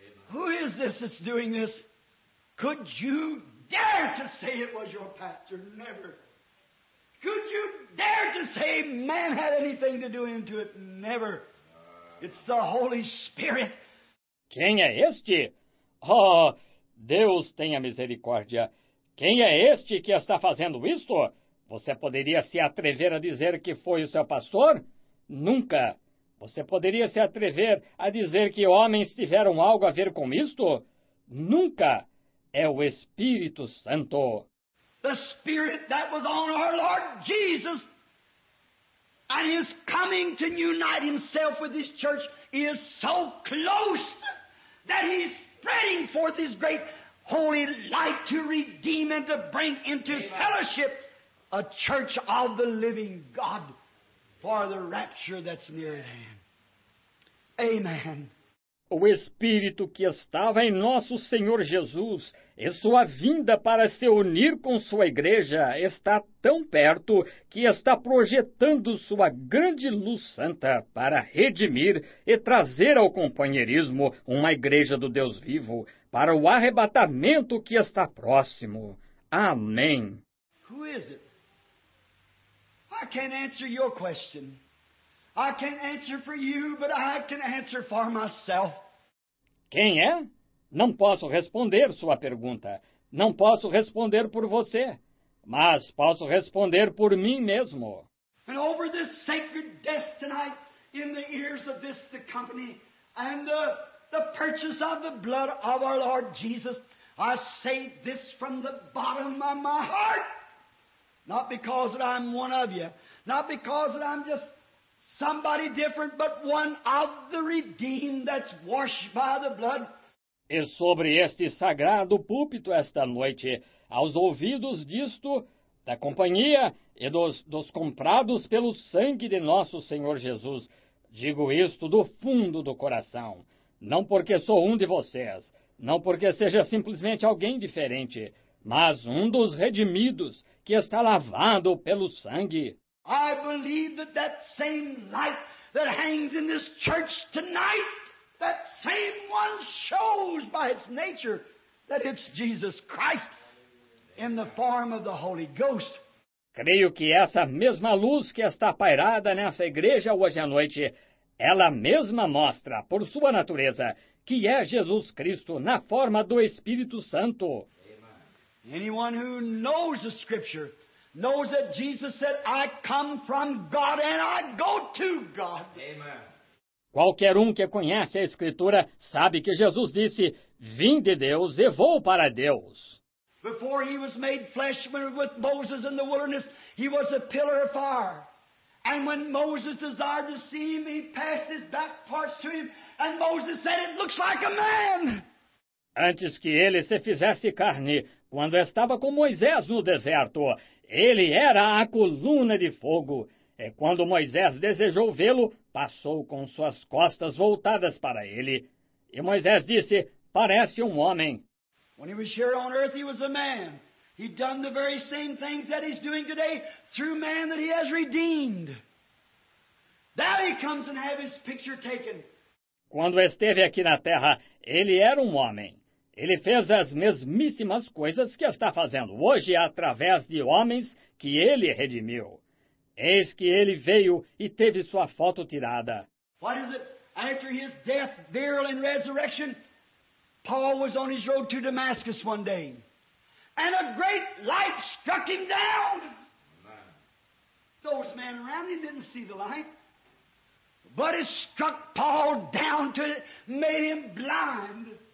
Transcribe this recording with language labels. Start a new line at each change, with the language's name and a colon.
English: Who is this that's doing this? Could you dare to say it was your pastor? Never. Could you dare to say man had anything to do into it? Never. It's the Holy Spirit.
Portuguese: Quem é este? Oh, Deus tenha misericórdia. Quem é este que está fazendo isto? Você poderia se atrever a dizer que foi o seu pastor? Nunca. Você poderia se atrever a dizer que homens tiveram algo a ver com isto? Nunca. É o Espírito Santo.
English: The Spirit that was on our Lord Jesus and is coming to unite himself with his church is so close that he's spreading forth his great holy light to redeem and to bring into fellowship a church of the living God. For the rapture that's near at hand. Amen.
Portuguese: O Espírito que estava em nosso Senhor Jesus e sua vinda para se unir com sua igreja está tão perto que está projetando sua grande luz santa para redimir e trazer ao companheirismo uma igreja do Deus vivo para o arrebatamento que está próximo. Amém.
English: Who is it? I can't answer your question. I can't answer for you, but I can answer for myself.
Portuguese: Quem é? Não posso responder sua pergunta. Não posso responder por você. Mas posso responder por mim mesmo.
English: And over this sacred desk tonight, in the ears of this the company, and the purchase of the blood of our Lord Jesus, I say this from the bottom of my heart. Not because that I'm one of you. Not because that I'm just somebody different, but one of the redeemed that's washed by the blood.
Portuguese: E sobre este sagrado púlpito esta noite, aos ouvidos disto, da companhia e dos comprados pelo sangue de nosso Senhor Jesus, Digo isto do fundo do coração, não porque sou um de vocês, não porque seja simplesmente alguém diferente, mas um dos redimidos que está lavado pelo sangue.
English: I believe that that same light that hangs in this church tonight, that same one shows by its nature that it's Jesus Christ in the form of the Holy Ghost.
Portuguese: Creio que essa mesma luz que está pairada nessa igreja hoje à noite, ela mesma mostra, por sua natureza, que é Jesus Cristo na forma do Espírito Santo.
English: Anyone who knows the Scripture knows that Jesus said, I come from God and I go to God.
Portuguese: Qualquer um que conhece a Escritura sabe que Jesus disse, vim de Deus e vou para Deus.
English: Before he was made flesh with Moses in the wilderness, he was a pillar of fire. And when Moses desired to see him, he passed his back parts to him. And Moses said, it looks like a man.
Portuguese: Antes que ele se fizesse carne, quando estava com Moisés no deserto, ele era a coluna de fogo. E quando Moisés desejou vê-lo, passou com suas costas voltadas para ele. E Moisés disse, parece um homem.
English: When he was here on earth, he was a man. He'd done the very same things that he's doing today through man that he has redeemed. There he comes and have his picture taken.
Portuguese: Quando esteve aqui na terra, ele era um homem. Ele fez as mesmíssimas coisas que está fazendo hoje através de homens que ele redimiu. Eis que ele veio e teve sua foto tirada.
English: What is it? After his death, burial, and resurrection, Paul was on his road to Damascus one day, and a great light struck him down. Those men around him didn't see the light, but it struck Paul down to it, made him blind.